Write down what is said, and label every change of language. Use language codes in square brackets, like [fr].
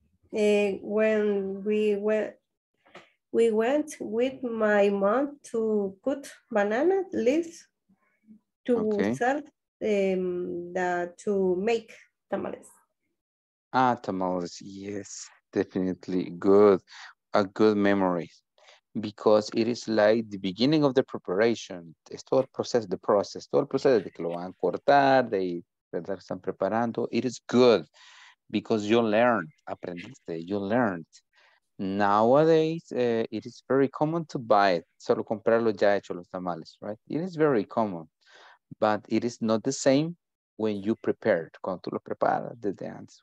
[en] When we went with my mom to cut banana leaves to sell to make tamales. Ah, tamales, yes, definitely good. A good memory. Because it is like the beginning of the preparation. [es] Es todo el proceso, de que lo van a cortar, de verdad están preparando. [en] It is good because you learned, [es] aprendiste, [en] you learned. Nowadays, it is very common to buy it, [es] solo comprarlo ya hecho los tamales, [en] right? It is very common. but it is not the same when you prepared, [es] cuando tú lo preparas desde antes.